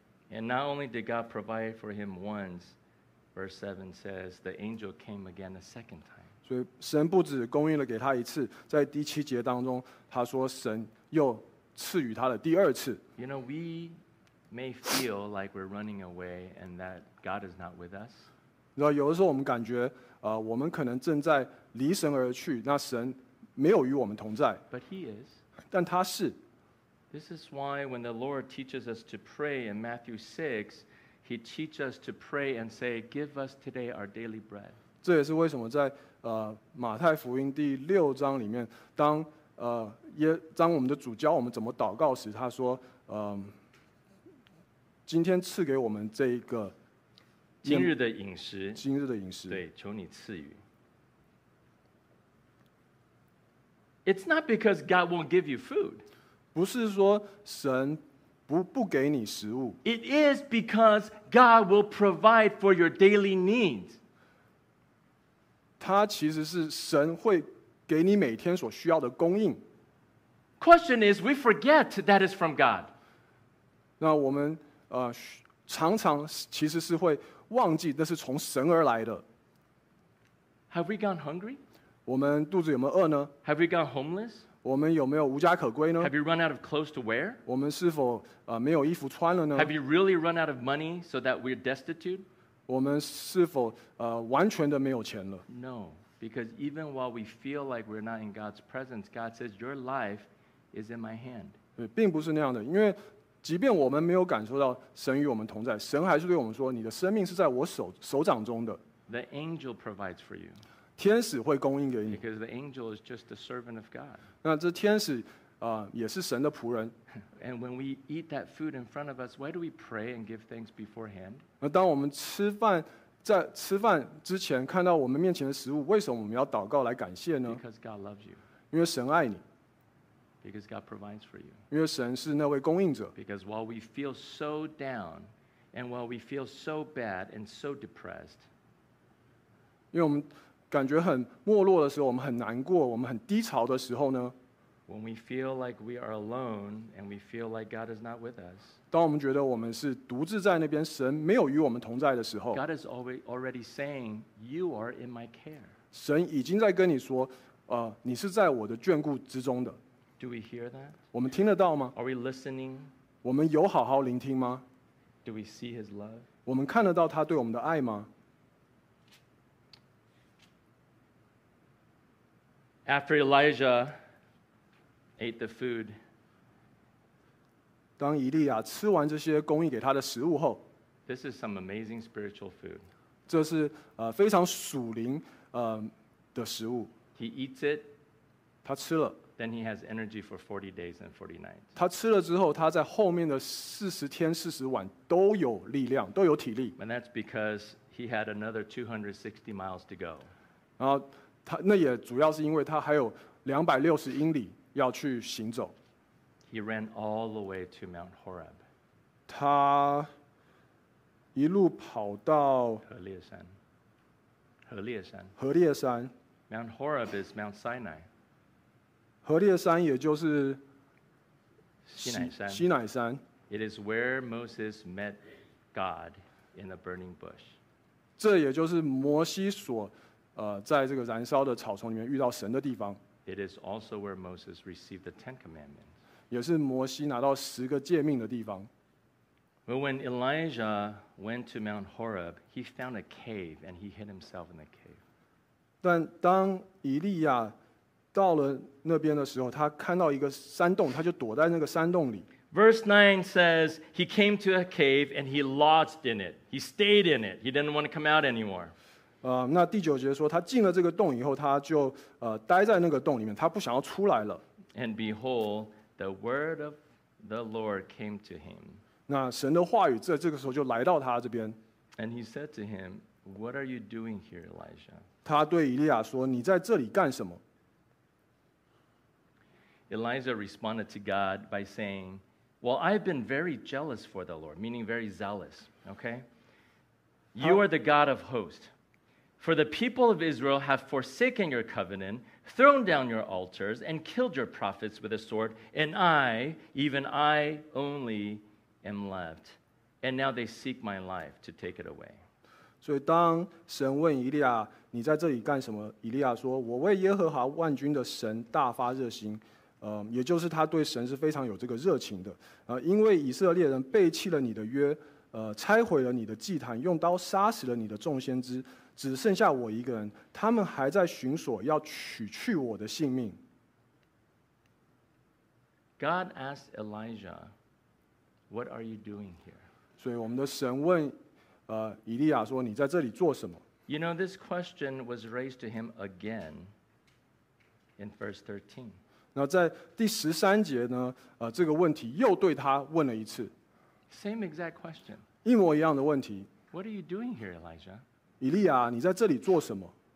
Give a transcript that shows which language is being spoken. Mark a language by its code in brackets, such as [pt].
[en] And not only did God provide for him once, verse 7 says, the angel came again a second time. [zh] 所以神不只供应了给他一次，在第七节当中，他说神又赐予他的第二次。 [en] You know, we may feel like we're running away and that God is not with us. [zh] 那有的时候我们感觉，我们可能正在离神而去，那神没有与我们同在。 [en] But he is. [zh] 但他是。 [en] This is why when the Lord teaches us to pray in Matthew 6, he teaches us to pray and say, "Give us today our daily bread." [zh] 这也是为什么在马太福音第六章里面，当我们的主教我们怎么祷告时，他说，今天赐给我们这一个今日的饮食，今日的饮食，对，求你赐予。 [en] It's not because God won't give you food. [zh] 不是说神不给你食物。 [en] It is because God will provide for your daily needs. [zh] 他其实是神会给你每天所需要的供应。 [en] Question is, we forget that is from God. [zh] 那我们常常其实是会忘记那是从神而来的。 [en] Have we gone hungry? [zh] 我们肚子有没有饿呢？ [en] Have we gone homeless? [zh] 我们有没有无家可归呢？ [en] Have you run out of clothes to wear? [zh] 我们是否没有衣服穿了呢？ [en] Have you really run out of money so that we're destitute? [zh] 我们是否完全的没有钱了？ [en] No, because even while we feel like we're not in God's presence, God says, "Your life is in my hand." [zh] 对，并不是那样的，因为即便我们没有感受到神与我们同在，神还是对我们说，你的生命是在我手掌中的。 [en] The angel provides for you. [zh] 天使会供应给你。 [en] Because the angel is just a servant of God. [zh] 那这天使也是神的仆人。 [en] And when we eat that food in front of us, why do we pray and give thanks beforehand? [zh] 那当我们在吃饭之前看到我们面前的食物，为什么我们要祷告来感谢呢？ [en] Because God loves you. [zh] 因为神爱你。 [en] Because God provides for you. [zh] 因为神是那位供应者。 [en] Because while we feel so down, and while we feel so bad and so depressed, [zh] 因为我们感觉很没落的时候，我们很难过，我们很低潮的时候呢？ [en] When we feel like we are alone and we feel like God is not with us, [zh] 当我们觉得我们是独自在那边，神没有与我们同在的时候， [en] God is already saying, "You are in my care." [zh] 神已经在跟你说，你是在我的眷顾之中的。 [en] Do we hear that? [zh] 我们听得到吗？ [en] Are we listening? [zh] 我们有好好聆听吗？ [en] Do we see His love? [zh] 我们看得到他对我们的爱吗？ [en] After Elijah. Ate the food. [zh] 当以利亚吃完这些供应给他的食物后， [en] This is some amazing spiritual food. [zh] 这是非常属灵的食物。 [en] He eats it. [zh] 他吃了。 [en] Then he has energy for 40 days and 40 nights. [zh] 他吃了之后，他在后面的40天40晚都有力量，都有体力。 [en] And that's because he had another 260 miles to go. [zh] 然后他那也主要是因为他还有260英里。要去行走。 [en] He ran all the way to Mount Horeb. [zh] 他一路跑到何烈山。何烈山。何烈山。 [en] Mount Horeb is Mount Sinai. [zh] 何烈山也就是西乃山。西乃山。 [en] It is where Moses met God in the burning bush. [zh] 这也就是摩西所在这个燃烧的草丛里面遇到神的地方。 [en] It is also where Moses received the Ten Commandments. [zh] 也是摩西拿到十个诫命的地方。 [en] But when Elijah went to Mount Horeb, he found a cave and he hid himself in the cave. [zh] 但当以利亚到了那边的时候，他看到一个山洞，他就躲在那个山洞里。 [en] Verse 9 says, he came to a cave and he lodged in it. He stayed in it. He didn't want to come out anymore. [zh] 那第九节说，他进了这个洞以后，他就待在那个洞里面，他不想要出来了。 [en] And behold, the word of the Lord came to him. [zh] 那神的话语在这个时候就来到他这边。 [en] And he said to him, what are you doing here, Elijah? [zh] 他对以利亚说，你在这里干什么？ [en] Elijah responded to God by saying, well, I've been very jealous for the Lord, meaning very zealous, okay? You are the God of hosts. For the people of Israel have forsaken your covenant, thrown down your altars, and killed your prophets with a sword, and I, even I only, am left. And now they seek my life to take it away. [zh] 所以当神问以利亚，你在这里干什么？以利亚说，我为耶和华万军的神大发热心。也就是他对神是非常有这个热情的。因为以色列人背弃了你的约，拆毁了你的祭坛，用刀杀死了你的众先知，只剩下我一个人，他们还在寻索要取去我的性命。 [en] God asked Elijah, what are you doing here? [zh] 所以我们的神问以利亚说，你在这里做什么？ [en] You know, this question was raised to him again in verse 13. [zh] 那在第十三节呢？这个问题又对他问了一次。 [en] Same exact question. [zh] 一模一样的问题。 [en] What are you doing here, Elijah? [zh] 以利亚，你在这里做什么